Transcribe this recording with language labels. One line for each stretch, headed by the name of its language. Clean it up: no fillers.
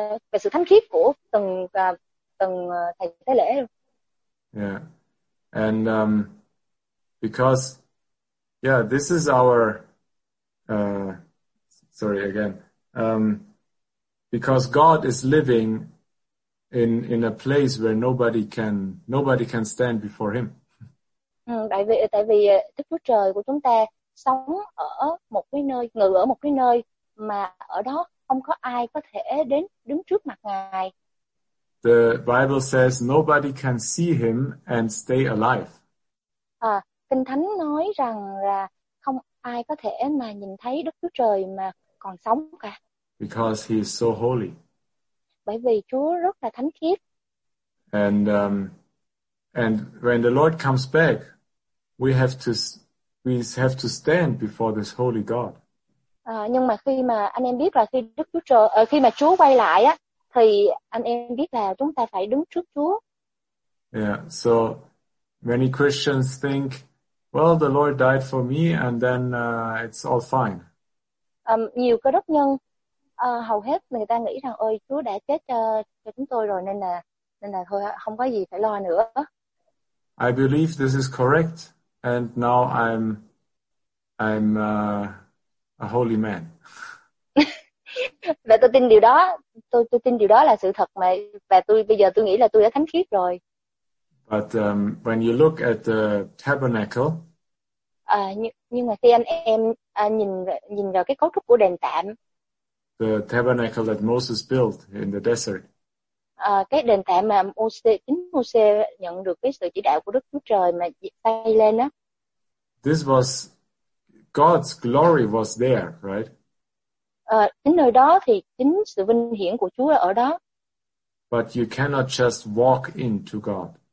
Vietnamese: Về sự thánh khiết của từng thầy tế lễ.
English: Yeah, and because yeah, this is our sorry again. Because God is living in a place where nobody can stand before Him.
Vietnamese: Tại vì Đức Chúa Trời của chúng ta sống ở một cái nơi, ngự ở một cái nơi mà ở đó không có ai có thể đứng trước mặt Ngài.
English: The Bible says nobody can see him and stay alive.
Vietnamese: Kinh Thánh nói rằng là không ai có thể mà nhìn thấy Đức Chúa Trời mà còn sống cả.
English: Because he is so holy.
Vietnamese: Bởi vì Chúa rất là thánh khiết.
English: And when the Lord comes back, we have to stand before this holy God.
Vietnamese: Nhưng mà khi mà anh em biết là khi Đức Chúa Trời khi mà Chúa quay lại á thì anh em biết là chúng ta phải đứng trước Chúa.
English: Yeah, so many Christians think, well, the Lord died for me and then it's all fine.
Vietnamese: Nhiều cơ đốc nhân hầu hết người ta nghĩ rằng ơi Chúa đã chết cho chúng tôi rồi nên là thôi không có gì phải lo nữa.
English: I believe this is correct and now I'm a holy man.
Vietnamese: Và tôi tin điều đó, tôi tin điều đó là sự thật mà và tôi bây giờ tôi nghĩ là tôi đã thánh khiết rồi.
English: But when you look at the tabernacle.
Vietnamese: Nhưng mà khi anh em nhìn vào cái cấu trúc của đền tạm.
English: The tabernacle that Moses built in the desert.
Vietnamese: Cái đền tạm mà Môse nhận được cái sự chỉ đạo của Đức Chúa Trời mà xây lên á.
English: This was God's glory was there, right?
Vietnamese: Chính nơi đó thì chính sự vinh hiển của Chúa ở đó.
English: But you cannot just walk into God.